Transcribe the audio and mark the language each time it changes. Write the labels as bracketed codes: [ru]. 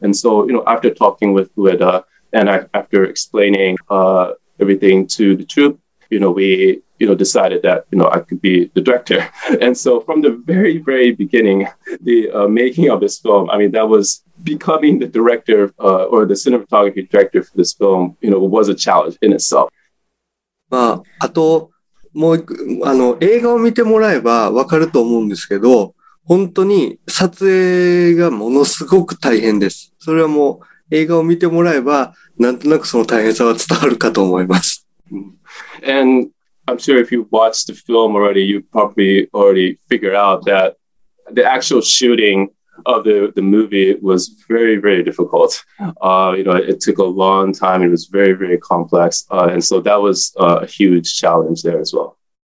[en] And so, you know, after talking with Ueda and after explaining everything to the troupe, you know, we, you know, decided that, you know, I could be the director. And so from the very, very beginning, the making of this film, I mean, that was becoming the director or the cinematography director for this film, you know, was a challenge in itself. [ja] まあ、あと、もう、あの、映画を見てもらえばわかると思うんですけど、本当に撮影がものすごく大変です。それはもう映画を見てもらえば、なんとなくその大変さは伝わるかと思います。 [en] And I'm sure if you watched the film already, you probably already figured out that the actual shooting of the movie was very, very difficult. You know, it took a long time. It was very, very complex. And so that was a huge challenge there as well.